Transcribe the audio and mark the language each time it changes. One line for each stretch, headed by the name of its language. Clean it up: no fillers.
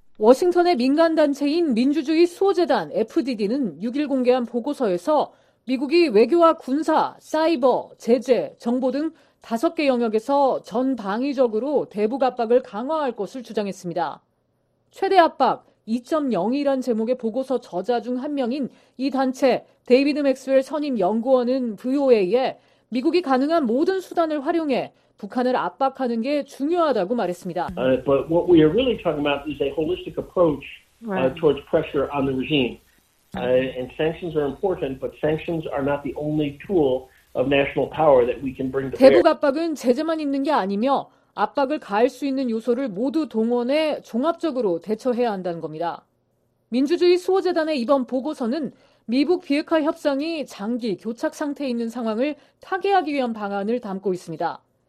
Korean: 워싱턴의 민간단체인 민주주의 수호재단 FDD는 6일 공개한 보고서에서 미국이 외교와 군사, 사이버, 제재, 정보 등 5개 영역에서 전방위적으로 대북 압박을 강화할 것을 주장했습니다. 최대 압박 2.0이란 제목의 보고서 저자 중 한 명인 이 단체 데이비드 맥스웰 선임 연구원은 VOA에 미국이 가능한 모든 수단을 활용해 북한을 압박하는 게 중요하다고 말했습니다.
English: But what we are really talking about is a holistic approach towards pressure on the regime. And sanctions are important, but sanctions are not the only tool of national power that we can bring to bear.
Korean: 대북 압박은 제재만 있는 게 아니며 압박을 가할 수 있는 요소를 모두 동원해 종합적으로 대처해야 한다는 겁니다. 민주주의 수호재단의 이번 보고서는 미북 비핵화 협상이 장기 교착 상태에 있는 상황을 타개하기 위한 방안을 담고 있습니다.